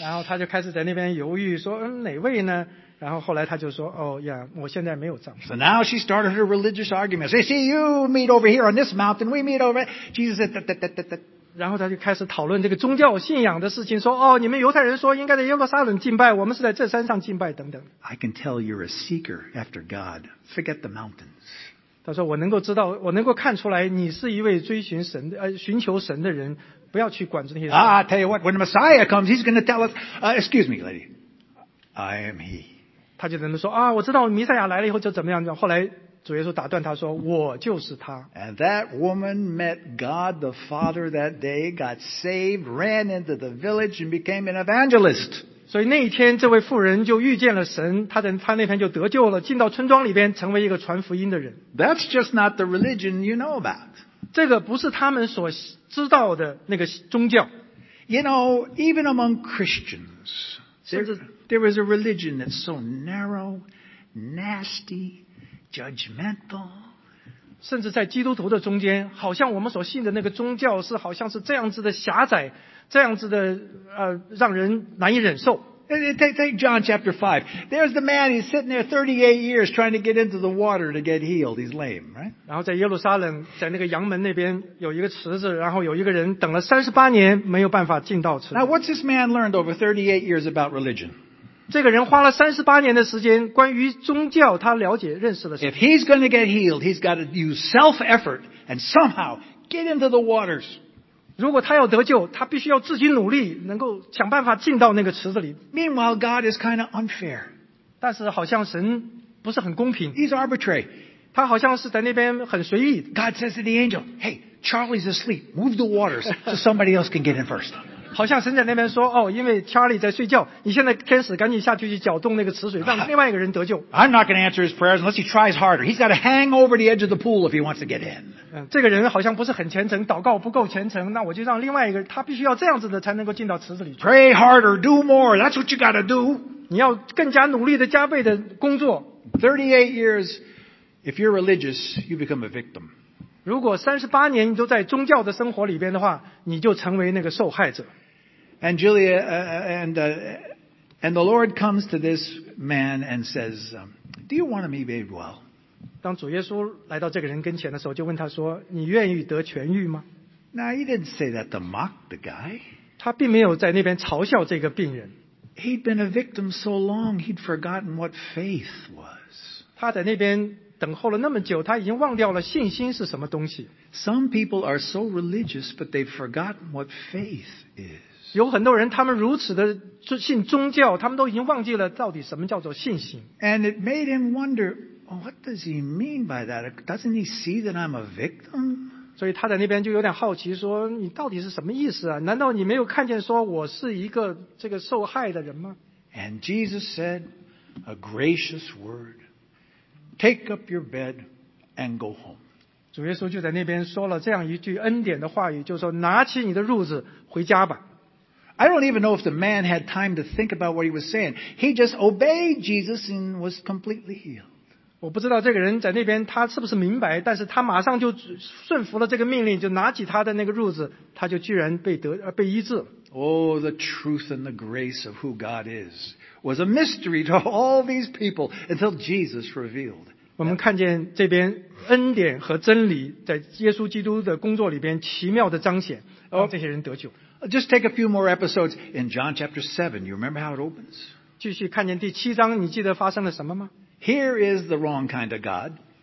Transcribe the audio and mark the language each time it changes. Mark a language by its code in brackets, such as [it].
[zh] 然后他就开始在那边犹豫，说哪位呢？然后后来他就说，哦呀，我现在没有丈夫。 [en] So now she started her religious arguments. They see you meet over here on this mountain, we meet over. Jesus said, "That." [zh] 然后他就开始讨论这个宗教信仰的事情，说：“哦，你们犹太人说应该在耶路撒冷敬拜，我们是在这山上敬拜，等等。” [en] I can tell you're a seeker after God. Forget the mountains. [zh] 他说：“我能够知道，我能够看出来，你是一位追寻神的，寻求神的人，不要去管这些。” [en] Ah, I tell you what, when the Messiah comes, he's going to tell us, "Excuse me, lady, I am he." [zh] 他就在那说：“啊，我知道弥赛亚来了以后就怎么样。”后来。主耶稣打断他说：“我就是他。” [en] And that woman met God the Father that day, got saved, ran into the village and became an evangelist. [zh] 所以那一天，这位妇人就遇见了神，她那天就得救了，进到村庄里边，成为一个传福音的人。 [en] That's just not the religion you know about. [zh] 这个不是他们所知道的那个宗教。 [en] You know, even among Christians, there is a religion that's so narrow, nasty. Judgmental. [zh] 甚至在基督徒的中间，好像我们所信的那个宗教是好像是这样子的狭窄，这样子的让人难以忍受。 [en] Take John chapter 5. There's the man, he's sitting there 38 years trying to get into the water to get healed. He's lame, right? [zh] 然后在耶路撒冷，在那个羊门那边有一个池子，然后有一个人等了38年没有办法进到池子。 [en] Now what's this man learned over 38 years about religion? [zh] 这个人花了38年的时间关于宗教他了解认识了什么。 [en] If he's going to get healed, he's got to use self-effort and somehow get into the waters. [zh] 如果他要得救，他必须要自己努力，能够想办法进到那个池子里。 [en] Meanwhile, God is kind of unfair. [zh] 但是好像神不是很公平。 [en] He's arbitrary. [zh] 他好像是在那边很随意。 [en] God says to the angel, "Hey, Charlie's asleep. Move the waters so somebody else can get in first. [zh] 好像神在那边说，哦，因为 Charlie 在睡觉，你现在天使赶紧下去去搅动那个池水，让另外一个人得救。 [en] I'm not going to answer his prayers unless he tries harder. He's got to hang over the edge of the pool if he wants to get in. [zh] 这个人好像不是很虔诚，祷告不够虔诚，那我就让另外一个人，他必须要这样子的才能够进到池子里去。 [en] Pray harder, do more. That's what you got to do. [zh] 你要更加努力的加倍的工作。 [en] 38 years, if you're religious, you become a victim. [zh] 如果38年你都在宗教的生活里边的话，你就成为那个受害者。 [en] And Julia, and the Lord comes to this man and says, "Do you want to be made well?" [zh] 当主耶稣来到这个人跟前的时候，就问他说：“你愿意得痊愈吗？” [en] Now he didn't say that to mock the guy. [zh] 他并没有在那边嘲笑这个病人。 [en] He'd been a victim so long he'd forgotten what faith was. [zh] 他在那边。等候了那么久，他已经忘掉了信心是什么东西。 [en] Some people are so religious, but they've forgotten what faith is. [zh] 有很多人，他们如此的信宗教，他们都已经忘记了到底什么叫做信心。 [en] And it made him wonder, what does he mean by that? Doesn't he see that I'm a victim? [zh] 所以他在那边就有点好奇，说你到底是什么意思啊？难道你没有看见说我是一个这个受害的人吗？ [en] And Jesus said a gracious word. Take up your bed and go home. [zh] 主耶稣就在那边说了这样一句恩典的话语，就说拿起你的褥子回家吧。 [en] I don't even know if the man had time to think about what he was saying. He just obeyed Jesus and was completely healed. [zh] 我不知道这个人在那边他是不是明白，但是他马上就顺服了这个命令，就拿起他的那个褥子，他就居然被医治。 [en] Oh, the truth and the grace of who God is was a mystery to all these people until Jesus revealed. [zh] 我们看见这边恩典和真理在耶稣基督的工作里边奇妙的彰显，让这些人得救。 [en] Just take a few more episodes in John chapter 7. You remember how it opens? [zh] 继续看见第七章，你记得发生了什么吗？ [en] Here is the wrong kind of God.